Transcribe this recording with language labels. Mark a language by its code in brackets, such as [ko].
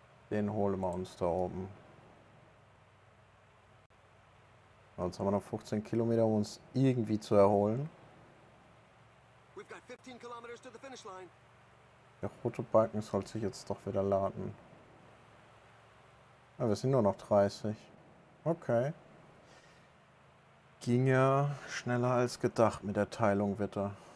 [de] Den holen wir uns da oben. Jetzt haben wir noch 15 Kilometer, um uns irgendwie zu erholen. [en] We've got 15 Kilometer to the finish line. [de] Der rote Balken sollte sich jetzt doch wieder laden. Ah, wir sind nur noch 30. Okay. Ging ja schneller als gedacht mit der Teilung, Witter.